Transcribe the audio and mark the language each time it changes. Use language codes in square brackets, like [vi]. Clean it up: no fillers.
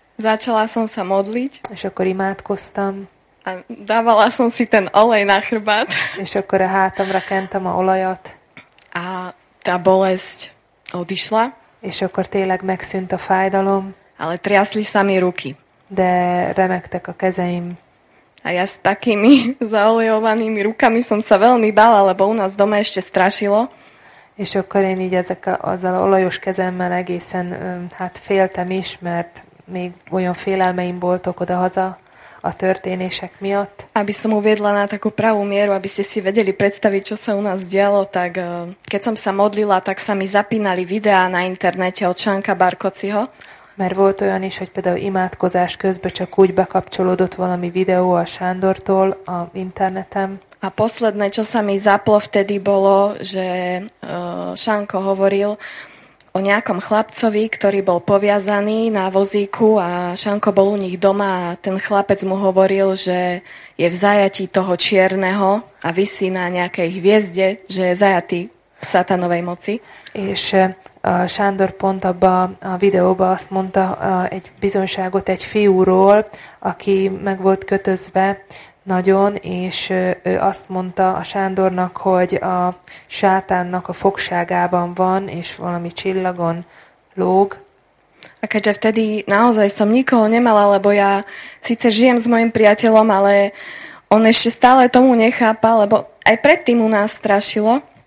[sk] Začala som sa modliť. [hu] És akkor imádkoztam. [sk] A dávala som si ten olej na chrbát. [hu] És akkor a hátamra kentem a olajat. [sk] A tá bolesť odišla. [hu] És akkor tényleg megszűnt a fájdalom. [sk] Ale triasli sa mi ruky. [hu] De remegtek a kezeim. [sk] A ja s takými zaolejovanými rukami som sa veľmi bála, lebo u nás doma ešte strašilo. [hu] És akkor én így ezzel olajos kezemmel egészen hát féltem is, mert még olyan félelmeim voltok odahaza a történések miatt. [sk] Aby som uviedla na takú pravú mieru, aby ste si vedeli predstaviť, čo sa u nás dialo, tak keď som sa modlila, tak sa mi zapínali videá na internete od Čanka Barkociho. [hu] Mert volt olyan is, hogy például imádkozás közben csak úgy bekapcsolódott valami videó a Sándortól a internetem. [sk] A posledné, čo sa mi zaplo vtedy, bolo, že Šanko hovoril o nejakom chlapcovi, ktorý bol poviazaný na vozíku a Šanko bol u nich doma a ten chlapec mu hovoril, že je v zajatí toho čierneho a visí na nejakej hviezde, že je zajatý v satanovej moci. [hu] És Sándor pont abba a videóba azt mondta egy bizonyságot egy fiúról, aki meg volt kötözve nagyon, és ő azt mondta a Sándornak, hogy a sátánnak a fogságában van, és valami csillagon lóg. [sk] A keďže vtedy naozaj som nikoho nemala, lebo ja síce žijem s mojim priateľom, ale on ešte stále tomu nechápa, lebo aj predtým u nás strašilo.